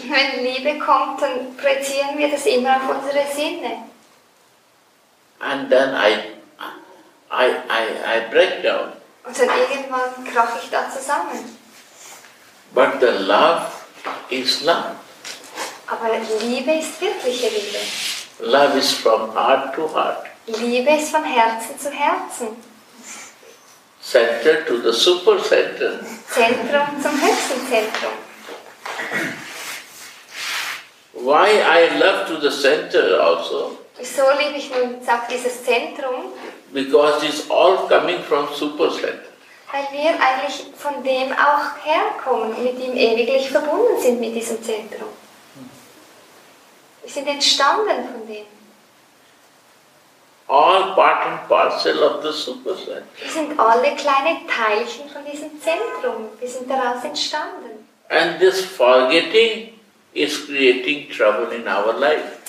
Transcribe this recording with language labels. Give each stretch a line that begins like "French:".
German: Wenn Liebe kommt, dann projizieren wir das immer auf unsere Sinne.
English: And then I break down.
German: Und dann irgendwann krache ich da zusammen.
English: But the love is love.
German: Aber Liebe ist wirkliche Liebe.
English: Love is from heart to heart.
German: Liebe ist von Herzen zu Herzen.
English: Center to the super center.
German: Zentrum zum höchsten Zentrum.
English: Why I love to the center also?
German: Wieso liebe ich nun auf dieses Zentrum?
English: Because it's all coming from super center.
German: Weil wir eigentlich von dem auch herkommen, mit ihm ewiglich verbunden sind, mit diesem Zentrum. Wir sind entstanden von dem.
English: All part and parcel of the super center.
German: Wir sind alle kleine Teilchen von diesem Zentrum. Wir sind daraus entstanden.
English: And this forgetting is creating trouble in our life.